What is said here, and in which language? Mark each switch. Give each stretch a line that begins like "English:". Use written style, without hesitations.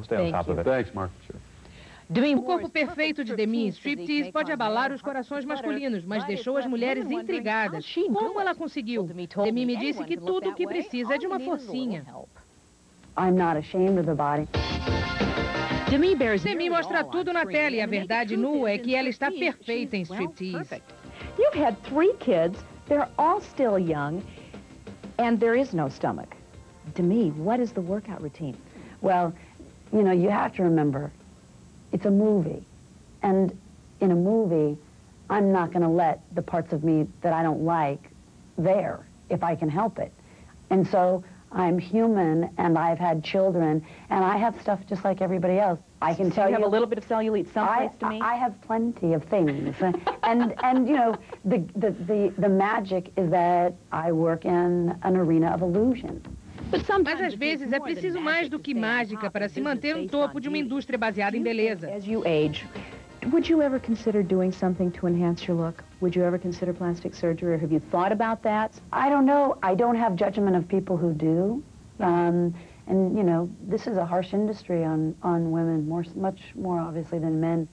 Portuguese: Obrigado, Mark. O corpo perfeito de Demi em Striptease pode abalar os corações masculinos, mas deixou as mulheres intrigadas. Como ela conseguiu? Demi me disse que tudo o que precisa é de uma forcinha.
English: I'm not ashamed of the body.
Portuguese: Demi mostra tudo na tela e a verdade nua é que ela está perfeita em Striptease.
English: You've had 3 kids, they're all still young, and there is no stomach. Demi, what is the workout routine? Well, you know, you have to remember, it's a movie. And in a movie, I'm not going to let the parts of me that I don't like there, if I can help it. And so I'm human, and I've had children, and I have stuff just like everybody else. I can tell you. You have a little bit of cellulite someplace to me? I have plenty of things. and you know, the magic is that I work in an arena of illusion.
Portuguese: Mas às vezes é preciso mais do que mágica para se manter no topo de uma indústria baseada em beleza.
English: As you age, would you ever consider doing something to enhance your look? Would you ever consider plastic surgery, or have you thought about that? I don't know. I don't have judgment of people who do. And, you know, this is a harsh industry on women, much more obviously than men.